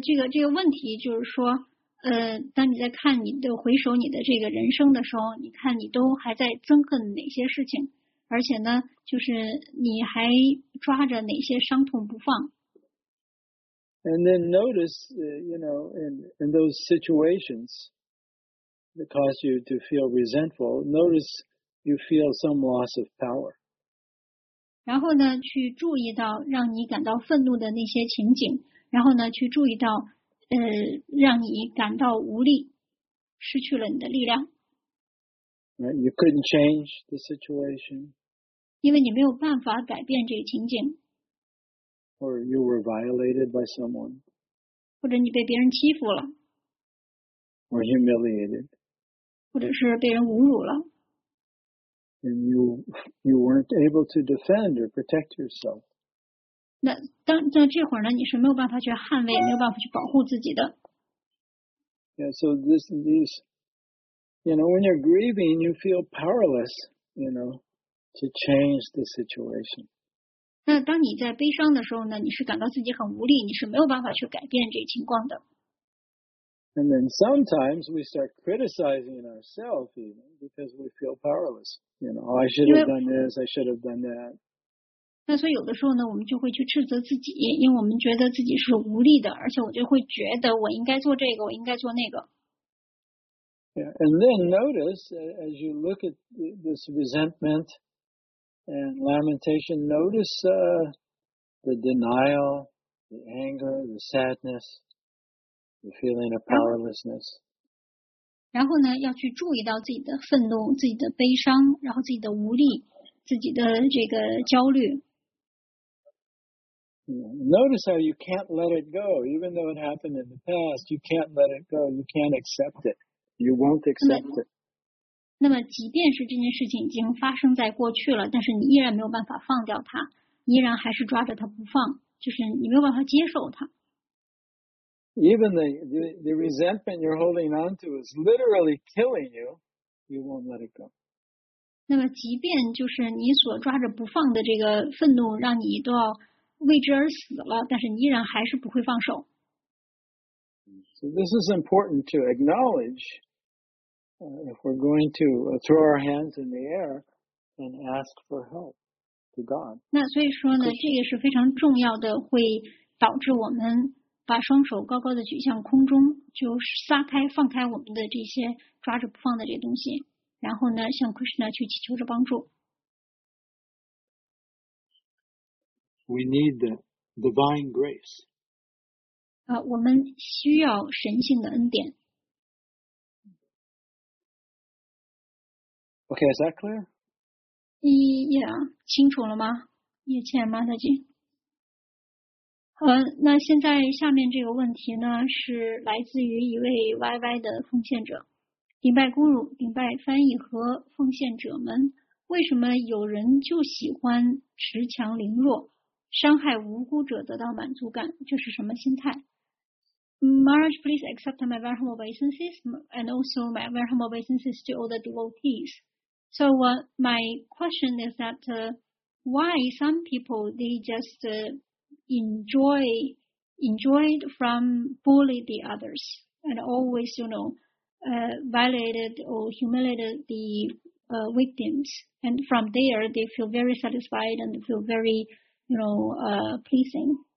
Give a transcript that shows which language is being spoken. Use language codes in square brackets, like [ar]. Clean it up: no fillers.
[zh] 这个问题就是说，当你在看你的回首你的这个人生的时候，你看你都还在憎恨哪些事情，而且呢，就是你还抓着哪些伤痛不放。 [en] And then notice, you know, in those situations that cause you to feel resentful, notice you feel some loss of power. [zh] 然后呢，去注意到让你感到愤怒的那些情景，然后呢，去注意到，让你感到无力，失去了你的力量。 [en] You couldn't change the situation. [zh] 因为你没有办法改变这个情景。 [en] Or you were violated by someone. [zh] 或者你被别人欺负了。 [en] Or humiliated. [zh] 或者是被人侮辱了。 [en] And you weren't able to defend or protect yourself. [zh] 那这会儿呢，你是没有办法去捍卫，没有办法去保护自己的。 [en] Yeah, so these, you know, when you're grieving, you feel powerless, you know, to change the situation. [zh] 那当你在悲伤的时候呢，你是感到自己很无力，你是没有办法去改变这情况的。 [en] And then sometimes we start criticizing ourselves even because we feel powerless. You know, I should have done this, I should have done that. [zh] 那所以有的时候呢，我们就会去斥责自己，因为我们觉得自己是无力的，而且我就会觉得我应该做这个，我应该做那个。 [en] Yeah, and then notice, as you look at this resentment and lamentation, notice the denial, the anger, the sadness, the feeling of powerlessness. [zh] 然后呢，要去注意到自己的愤怒、自己的悲伤、然后自己的无力、自己的这个焦虑。 [en] Notice how you can't let it go, even though it happened in the past, you can't let it go, you can't accept it, you won't accept it. [zh] 那么即便是这件事情已经发生在过去了，但是你依然没有办法放掉它，依然还是抓着它不放，就是你没有办法接受它。 [en] Even the resentment you're holding on to is literally killing you, you won't let it go. [zh] 那么即便就是你所抓着不放的这个愤怒让你都要为之而死了，但是你依然还是不会放手。 [en] So this is important to acknowledge, if we're going to throw our hands in the air and ask for help to God. [zh] 那所以说呢，这个是非常重要的，会导致我们把双手高高的举向空中，就撒开放开我们的这些抓着不放的这些东西，然后呢，向 Krishna 去祈求着帮助。 [en] We need the divine grace. [zh] 我们需要神性的恩典。 [en] Okay, is that clear? [zh] Yeah, 清楚了吗？叶倩马大姐。那现在下面这个问题呢，是来自于一位 YY 的奉献者，顶拜孤乳、顶拜翻译和奉献者们，为什么有人就喜欢恃强凌弱？伤害无辜者得到满足感，这是什么心态？ [en] Maharaj, please accept my very humble obeisances and also my very humble obeisances to all the devotees. So my question is that why some people they just enjoyed from bullying the others and always, you know, violated or humiliated the victims, and from there they feel very satisfied and feel very, you know, pleasing.